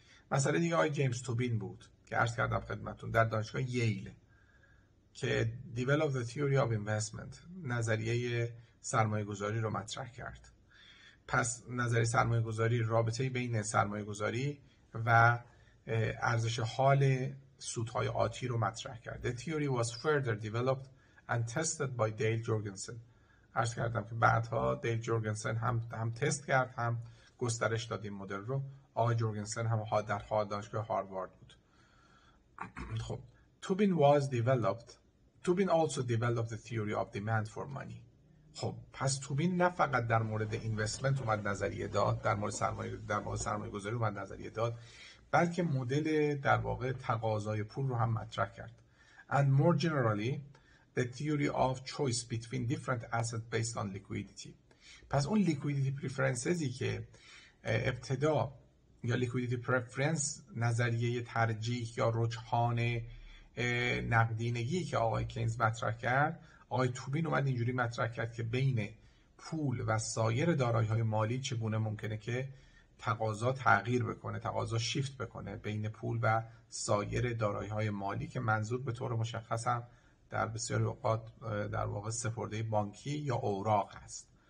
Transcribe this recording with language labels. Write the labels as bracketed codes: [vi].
[fa] مسئله دیگه آقای جیمز توبین بود که عرض کردم خدمتون در دانشگاه ییل که [en] Develop the Theory of Investment، [fa] نظریه سرمایه گذاری رو مطرح کرد. پس نظریه سرمایه گذاری رابطه بین سرمایه گذاری و ارزش حال سودهای آتی رو مطرح کرد. [en] The theory was further developed and tested by Dale Jorgensen. [fa] عرض کردم که بعدها دیل جورگنسن هم تست کرد هم گسترش داد این مدل رو. آقای جورگنسن هم در حال دانشگاه هاروارد بود. [en] خب Tobin also developed the theory of demand for money. [fa] خب پس توبین نه فقط در مورد اینوستمنت اومد نظریه داد، در مورد سرمایه گذاری اومد نظریه داد، بلکه مدل در واقع تقاضای پول رو هم مطرح کرد. [en] And more generally the theory of choice between different assets based on liquidity. [fa] پس اون liquidity preferences که ابتدا یا liquidity preference نظریه ترجیح یا رجحان نقدینگی که آقای کینز مطرح کرد، آقای توبین اومد اینجوری مطرح کرد که بین پول و سایر دارایی های مالی چگونه ممکنه که تقاضا تغییر بکنه، تقاضا شیفت بکنه بین پول و سایر دارایی های مالی که منظور به طور مشخص هم در بسیاری اوقات در واقع سپرده بانکی یا اوراق است.